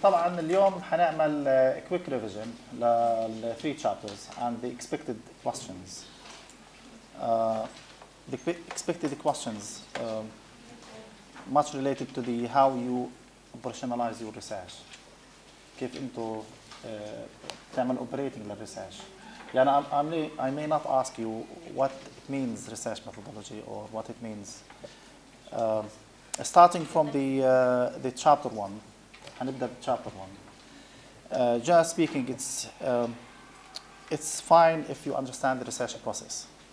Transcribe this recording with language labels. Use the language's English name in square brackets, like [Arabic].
[Arabic] طبعا اليوم حنعمل [English] quick revision [Arabic] لل [English] 3 chapters and the expected questions. The expected questions much related to the how you operationalize your research. [Arabic] كيف انتو تعمل [English] operating [Arabic] للريسيرش. يعني [English] I may not ask you what it means research methodology or what it means. Starting from the chapter one. [Arabic] هنبدأ بالشابتر 1. [English] Just speaking, it's fine if you understand the research process.